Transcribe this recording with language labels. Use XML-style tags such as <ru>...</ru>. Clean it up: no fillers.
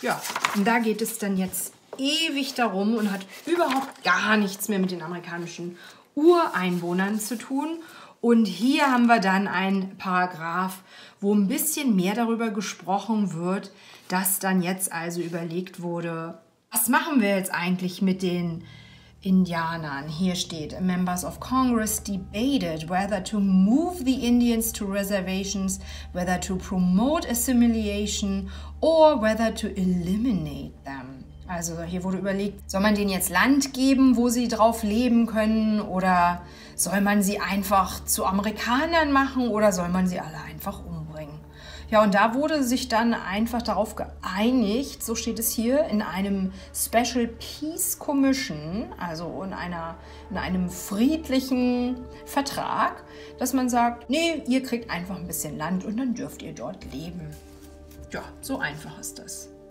<de>Ja, und da geht es dann jetzt ewig darum und hat überhaupt gar nichts mehr mit den amerikanischen Ureinwohnern zu tun. Und hier haben wir dann einen Paragraph, wo ein bisschen mehr darüber gesprochen wird, dass dann jetzt also überlegt wurde, was machen wir jetzt eigentlich mit den Indianern. Hier steht:</de> <en>Members of Congress debated whether to move the Indians to reservations, whether to promote assimilation or whether to eliminate them.</en> <de>Also hier wurde überlegt, soll man denen jetzt Land geben, wo sie drauf leben können, oder soll man sie einfach zu Amerikanern machen oder soll man sie alle einfach umbringen? Ja, und da wurde sich dann einfach darauf geeinigt, so steht es hier, in einem Special Peace Commission, also in einem friedlichen Vertrag, dass man sagt, nee, ihr kriegt einfach ein bisschen Land und dann dürft ihr dort leben. Ja, so einfach ist das.</de>